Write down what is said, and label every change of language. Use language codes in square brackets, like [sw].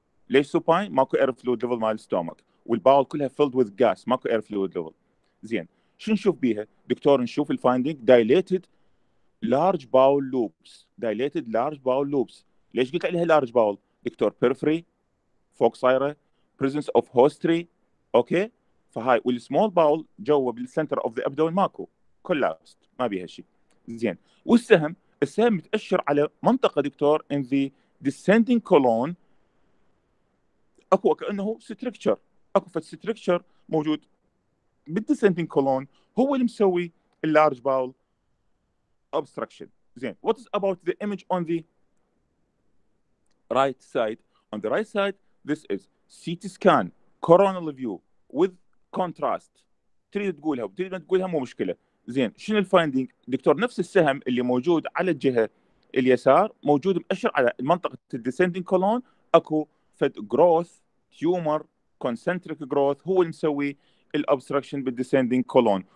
[ar] ليش supine؟ ماكو air fluid level مال stomach والباول كلها filled with gas، ماكو air fluid level. زين شو نشوف بيها دكتور؟ نشوف الفايندينج [en] dilated large bowel loops. dilated large bowel loops [ar] ليش قلت عليها large bowel دكتور؟ periphery فوق صايره، [en] presence of hostry. [ar] اوكي فهاي، والsmall bowel جوا بالcenter of the abdomen ماكو، collapsed ما بيها شيء. زين والسهم؟ السهم متأشر على منطقة دكتور [en] in the descending colon، [ar] أكو كأنه ستركتشر، أكو فت ستركتشر موجود بالdescending colon هو اللي مسوي اللارج باول obstruction. زين [en] what is about the image on the right side؟ on the right side this is CT scan coronal view with contrast. [ar] تريد تقولها وتريد ما تقولها مو مشكلة. زين شنو الفايندينج دكتور؟ نفس السهم اللي موجود على الجهه اليسار موجود مؤشر على منطقه الديسندنج كولون، اكو فد جروث تيومر كونسنتريك جروث هو اللي مسوي الابستراكشن بالديسندنج كولون.